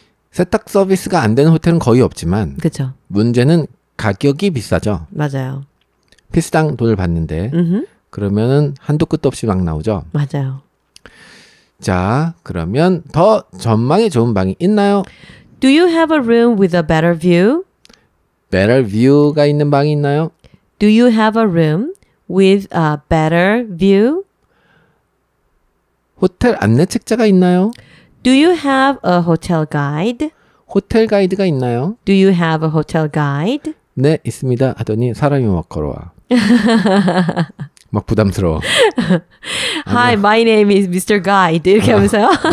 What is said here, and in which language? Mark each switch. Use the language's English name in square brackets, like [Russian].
[Korean] 세탁 서비스가 안 되는 호텔은 거의 없지만, 그쵸. 문제는 가격이 비싸죠. 맞아요. 피스당 돈을 받는데, 음흠. 그러면은 한도 끝도 없이 막 나오죠. 맞아요. 자, 그러면 더 전망이 좋은 방이 있나요? [English] Do you have a room with a better view? [Korean] Better view가 있는 방이 있나요? [English] Do you have a room with a better view? [Korean] 호텔 안내 책자가 있나요? [English] Do you have a hotel guide? [Korean] 호텔 가이드가 있나요? [English] Do you have a hotel guide? [Korean] 네, 있습니다. 하더니 사람이 막 걸어와. 막 부담스러워. [English] Hi, my name is Mr. Guide. [Korean] 이렇게 하면서요?